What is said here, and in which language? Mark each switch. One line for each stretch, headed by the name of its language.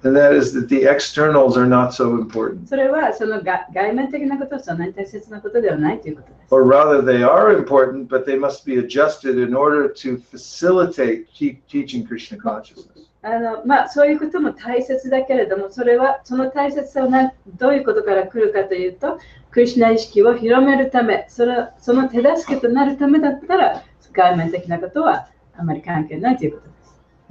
English: And that is that the externals are not so important.
Japanese: それはその外面的なことはそんなに大切なことではないということです。
English: Or rather, they are important, but they must be adjusted in order to facilitate teaching Krishna consciousness.
Japanese: そういうことも大切だけれども、それはその大切さはどういうことから来るかというと、クリシナ意識を広めるため、その手助けとなるためだったら、外面的なことはあまり関係ないということです。